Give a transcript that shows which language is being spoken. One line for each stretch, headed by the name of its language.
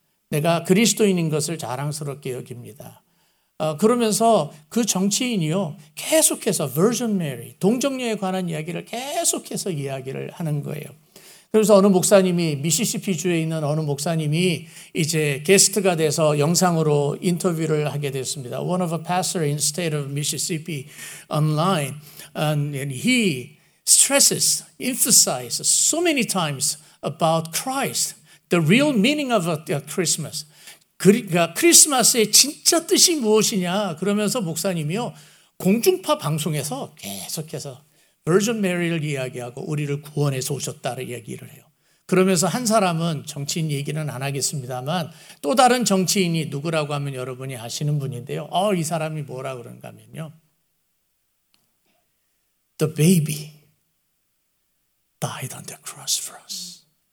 Korean: 내가 그리스도인인 것을 자랑스럽게 여깁니다. 그러면서 그 정치인이요 계속해서 Virgin Mary 동정녀에 관한 이야기를 계속해서 이야기를 하는 거예요. 그래서 어느 목사님이 미시시피 주에 있는 어느 목사님이 이제 게스트가 돼서 영상으로 인터뷰를 하게 됐습니다.
English: One of a pastor in state of Mississippi online and he stresses, emphasizes so many times about Christ, the real meaning of Christmas.
Korean: 그러니까 크리스마스의 진짜 뜻이 무엇이냐 그러면서 목사님이요 공중파 방송에서 계속해서 Virgin Mary를 이야기하고 우리를 구원해서 오셨다를 얘기를 해요. 그러면서 한 사람은 정치인 얘기는 안 하겠습니다만 또 다른 정치인이 누구라고 하면 여러분이 아시는 분인데요. 이 사람이 뭐라 그런가 하면요.
English: The baby died on the cross for us.